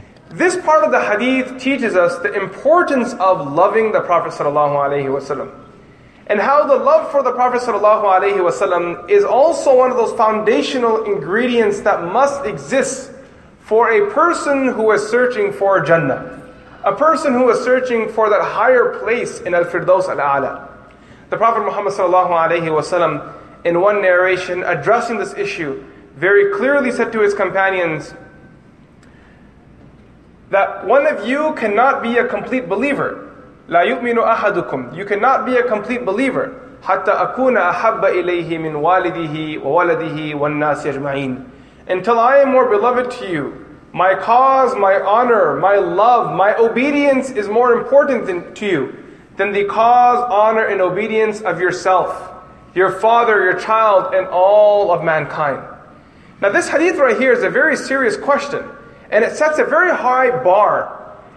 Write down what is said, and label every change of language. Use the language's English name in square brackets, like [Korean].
[English] This part of the hadith teaches us the importance of loving the Prophet sallallahu alayhi wasallam, and how the love for the Prophet sallallahu alaihi wasallam is also one of those foundational ingredients that must exist for a person who is searching for Jannah, a person who is searching for that higher place in Al-Firdaus Al-A'la. The Prophet Muhammad sallallahu alaihi wasallam, in one narration addressing this issue, very clearly said to his companions that one of you cannot be a complete believer. [Arabic] لا يؤمن أحدكم. [English] You cannot be a complete believer [Arabic] حتى أكون أحب إليه من والده وولده والناس أجمعين. [English] Until I am more beloved to you, my cause, my honor, my love, my obedience is more important to you than the cause, honor, and obedience of yourself, your father, your child, and all of mankind. Now this hadith right here is a very serious question, and it sets a very high bar.